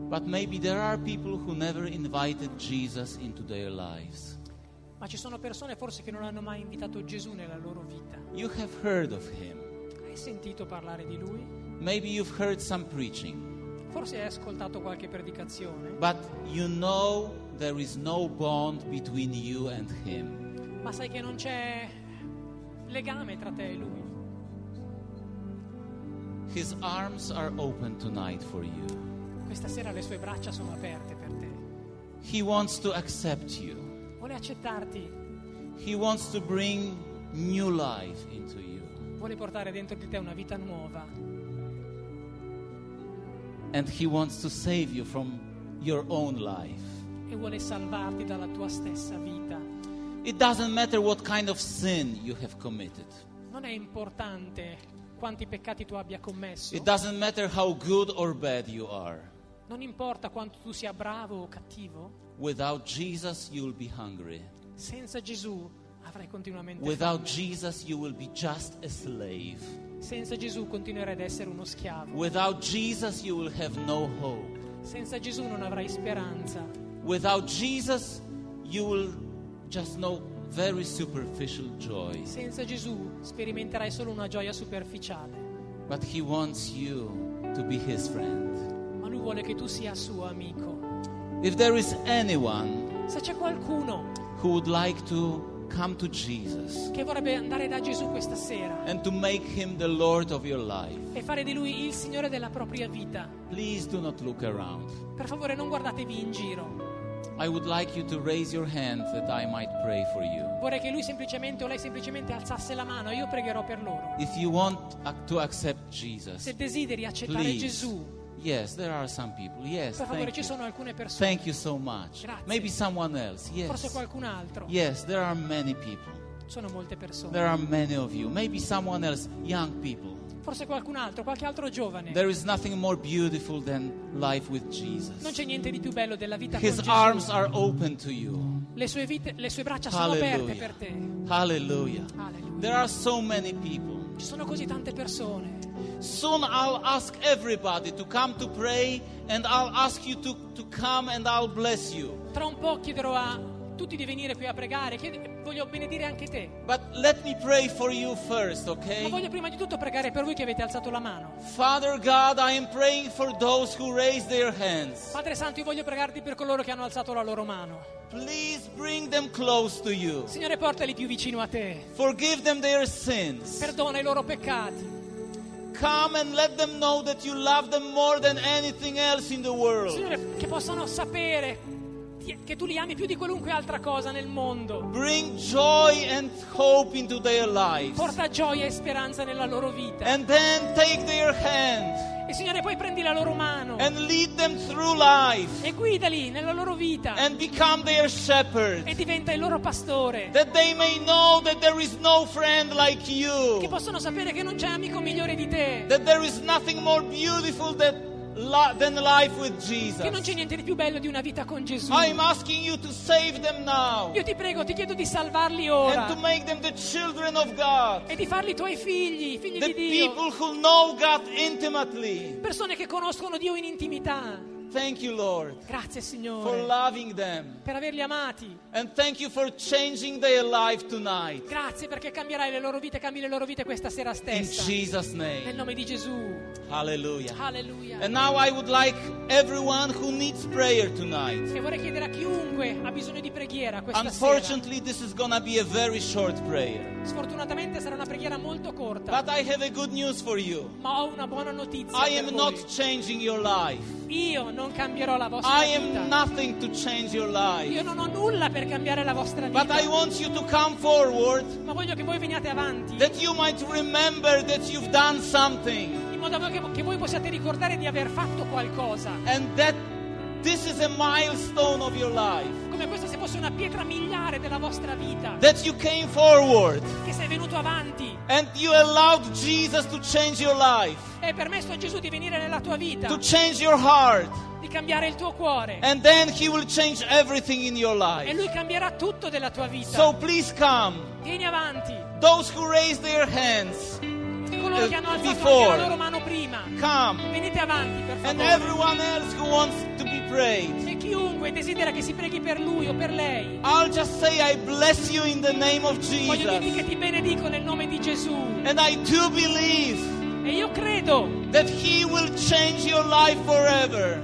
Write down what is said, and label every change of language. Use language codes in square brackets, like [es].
[en] Maybe there are people who never invited Jesus into their lives. [it] Ma ci sono persone forse che non hanno mai invitato Gesù nella loro vita. [en] You have heard of him. [it] Hai sentito parlare di lui? [en] Maybe you've heard some preaching. [it] Forse hai ascoltato qualche predicazione. [en] But you know there is no bond between you and him. [it] Ma sai che non c'è legame tra te e lui. [en] His arms are open tonight for you. [it] Questa sera le sue braccia sono aperte per te. [en] He wants to accept you. [it] Vuole accettarti. [en] He wants to bring new life into you. [it] Vuole portare dentro di te una vita nuova. [en] And he wants to save you from your own life. [it] E vuole salvarti dalla tua stessa vita. [en] It doesn't matter what kind of sin you have committed. [it] Non è importante quanti peccati tu abbia commesso. [en] It doesn't matter how good or bad you are. [it] Non importa quanto tu sia bravo o cattivo. [en] Without Jesus you'll be hungry. [it] Senza Gesù avrai continuamente [en] Without [it] fame. [en] Jesus you will be just a slave. [it] Senza Gesù continuerai ad essere uno schiavo. [en] Without Jesus you will have no hope. [it] Senza Gesù non avrai speranza. [en] Without Jesus you will just know very superficial joy. [it] Senza Gesù sperimenterai solo una gioia superficiale. [en] But he wants you to be his friend. [it] Lui vuole che tu sia suo amico. [en] If there is anyone, [it] se c'è qualcuno [en] who would like to come to Jesus, [it] che vorrebbe andare da Gesù questa sera, [en] and to make him the Lord of your life, [it] e fare di lui il Signore della propria vita, [en] please do not look around. [it] Per favore non guardatevi in giro. [en] I would like you to raise your hand that I might pray for you. [it] Vorrei che lui semplicemente o lei semplicemente alzasse la mano e io pregherò per loro. [en] If you want to accept Jesus, [it] se desideri accettare [en] please. [it] Gesù. [en] Yes, there are some people. Yes, [it] per favore, [en] thank [it] ci [en] you. [it] Sono alcune persone. [en] Thank you so much. [it] Grazie. [en] Maybe someone else. Yes. [it] Forse qualcun altro. [en] Yes, there are many people. [it] Sono molte persone. [en] There are many of you. Maybe someone else, young people. [it] forse qualcun altro, qualche altro giovane. [en] There is nothing more beautiful than life with Jesus. [it] Non c'è niente di più bello della vita con Gesù. [en] His arms are open to you. [it] Le sue braccia sono aperte per te. [en] Hallelujah. There are so many people. [it] Ci sono così tante persone. [en] Soon I'll ask everybody to come to pray and I'll ask you to come and I'll bless you. [it] Tra un po' chiederò a tutti di venire qui a pregare, voglio benedire anche te. [en] But let me pray for you first, okay? [it] Ma voglio prima di tutto pregare per voi che avete alzato la mano. [en] Father God, I am praying for those who raise their hands. [it] Padre Santo, io voglio pregarti per coloro che hanno alzato la loro mano. [en] Please bring them close to you. [it] Signore, portali più vicino a te. [en] Forgive them their sins. [it] Perdona i loro peccati. [en] Come and let them know that you love them more than anything else in the world. [it] Signore, che possano sapere che tu li ami più di qualunque altra cosa nel mondo. [en] Bring joy and hope into their lives. [it] Porta gioia e speranza nella loro vita. [en] And then take their hand. [it] E Signore, poi prendi la loro mano. [en] And lead them through life. [it] E guidali nella loro vita. [en] And become their shepherd. [it] E diventa il loro pastore. [en] That they may know that there is no friend like you. [it] Che possano sapere che non c'è amico migliore di te. [en] That there is nothing more beautiful than life with Jesus. [it] Che non c'è niente di più bello di una vita con Gesù. [en] I'm asking you to save them now. [it] Io ti prego, ti chiedo di salvarli ora. [en] And to make them the children of God. [it] E di farli tuoi figli, figli [en] the [it] di Dio. [en] The people who know God intimately. [it] Persone che conoscono Dio in intimità. [en] Thank you, Lord. [it] Grazie, Signore. [en] For loving them. [it] Per averli amati. [en] And thank you for changing their life tonight. [it] Grazie perché cambierai le loro vite, cambi le loro vite questa sera stessa. [en] In Jesus' name. [it] Nel nome di Gesù. [en] Hallelujah. [it] Hallelujah. [en] And now I would like everyone who needs prayer tonight. [it] E vorrei chiedere a chiunque ha bisogno di preghiera questa sera. [en] Unfortunately, this is gonna be a very short prayer. [it] Sfortunatamente sarà una preghiera molto corta. [en] But I have a good news for you. [it] Ma ho una buona notizia. [en] I am not changing your life. [it] Io non cambierò la vostra vita. [en] I am nothing to change your life. [it] Io non ho nulla per cambiare la vostra vita. [en] But I want you to come forward. [it] Ma voglio che voi veniate avanti. [en] That you might remember that you've done something. [it] In modo che voi possiate ricordare di aver fatto qualcosa. [en] And that this is a milestone of your life. [it] Come questa se fosse una pietra miliare della vostra vita. [en] That you came forward. [it] Che sei venuto avanti. [en] And you allowed Jesus to change your life. [it] E hai permesso a Gesù di venire nella tua vita. [en] To change your heart. [it] Di cambiare il tuo cuore. [en] And then he will change everything in your life. [it] E lui cambierà tutto della tua vita. [en] So please come. [it] Vieni avanti. [en] Those who raise their hands. [it] Coloro che hanno alzato [en] before, [it] la loro mano prima. [en] Come. [it] Venite avanti, per favore. [en] And everyone else who wants to be prayed. [it] E chiunque desidera che si preghi per lui o per lei. [en] I'll just say I bless you in the name of Jesus. [it] Voglio dire che ti benedico nel nome di Gesù. [en] And I do believe. [it] E io credo. [en] That he will change your life forever.